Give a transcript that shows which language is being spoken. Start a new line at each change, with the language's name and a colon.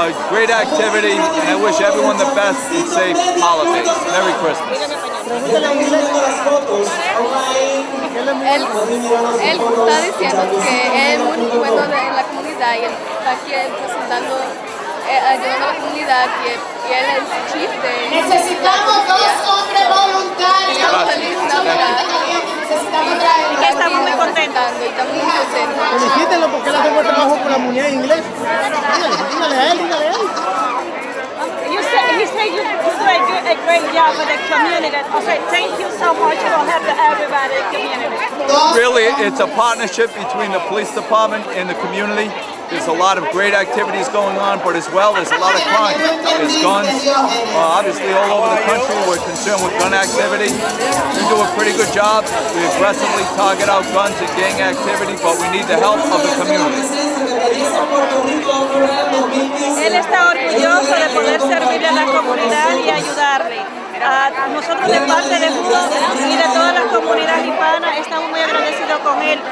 English: Great activity, and I wish everyone the best and safe holidays. Merry Christmas.
Spanish: Él está diciendo que es muy bueno en la comunidad y él está aquí presentando, ayudando a la comunidad y él es el chief de... Necesitamos dos hombres voluntarios. Estamos felices, la verdad. Y que estamos muy contentos. Estamos muy contentos. Felicítenlo porque él hace buen trabajo con la muñeca en inglés. Dígale a él, dígale a él.
English: Really, it's a partnership between the police department and the community. There's a lot of great activities going on, but as well, there's a lot of crime. There's guns, obviously, all over the country. We're concerned with gun activity. We do a pretty good job. We aggressively target out guns and gang activity, but we need the help of the community.
Spanish: Él está orgulloso de poder servirle a la comunidad y ayudarle. Nosotros de parte de Judo y de toda la comunidad hispana estamos muy agradecidos con él.